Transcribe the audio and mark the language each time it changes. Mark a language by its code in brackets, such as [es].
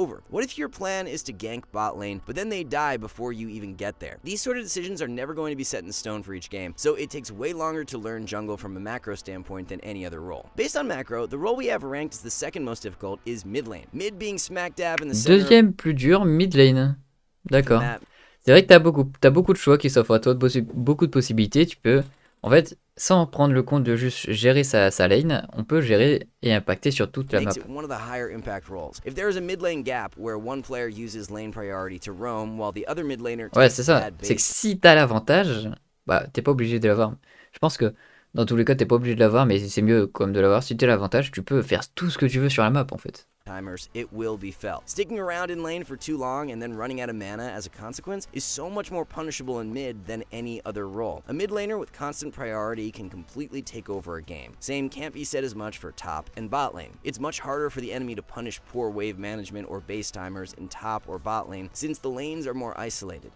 [en] What if your plan is to gank bot lane, but then they die before you even get there? These sort of decisions are never going to be set in stone for each game, so it takes way longer to learn jungle from a macro standpoint than any other role. Based on macro, the role we have ranked as the second most difficult is mid lane. Mid being smack dab in the center. [fr] Deuxième plus dur, mid lane. D'accord. C'est vrai que t'as beaucoup de choix qui s'offrent à toi, beaucoup de possibilités. Tu peux, en fait. Sans prendre le compte de juste gérer sa lane, on peut gérer et impacter sur toute la map. [en] One of the higher impact roles. If there is a mid lane gap where one player uses lane priority to roam while the other mid laner [fr] Ouais, c'est ça. C'est que si t'as l'avantage, bah t'es pas obligé de l'avoir. Je pense que dans tous les cas, t'es pas obligé de l'avoir, mais c'est mieux comme de l'avoir. Si t'as l'avantage, tu peux faire tout ce que tu veux sur la map en fait. [en] Timers, it will be felt. Sticking around in lane for too long and then running out of mana as a consequence is so much more punishable in mid than any other role. A mid laner with constant priority can completely take over a game. Same can't be said as much for top and bot lane. It's much harder for the enemy to punish poor wave management or base timers in top or bot lane since the lanes are more isolated.